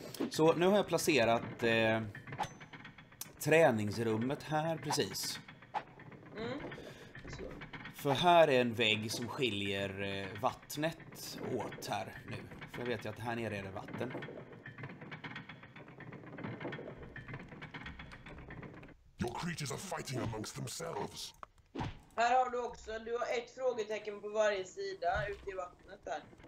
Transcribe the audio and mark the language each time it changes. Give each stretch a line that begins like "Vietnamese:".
Swedish: Så nu har jag placerat träningsrummet här precis. För här är en vägg som skiljer vattnet åt här nu. För jag vet ju att här nere är det vatten.
English: Creatures are fighting amongst themselves.
Swedish: Här har du också, du har ett frågetecken på varje sida ute i vattnet där.